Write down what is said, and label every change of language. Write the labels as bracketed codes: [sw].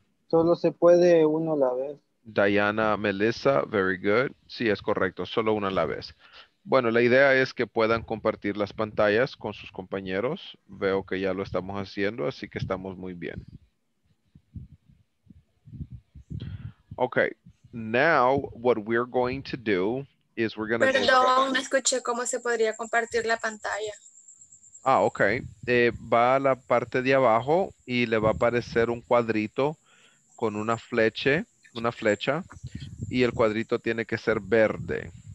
[es] Solo se puede uno a la vez. [en] Diana, Melissa, very good. [es] Sí, es correcto, solo una a la vez. Bueno, la idea es que puedan compartir las pantallas con sus compañeros. Veo que ya lo estamos haciendo, así que estamos muy bien. [en] Ok, now what we're going to do is we're going to... [es] Perdón, no escuché cómo se podría compartir la pantalla. Ah, ok. Va a la parte de abajo y le va a aparecer un cuadrito con una flecha, y el cuadrito tiene que ser verde.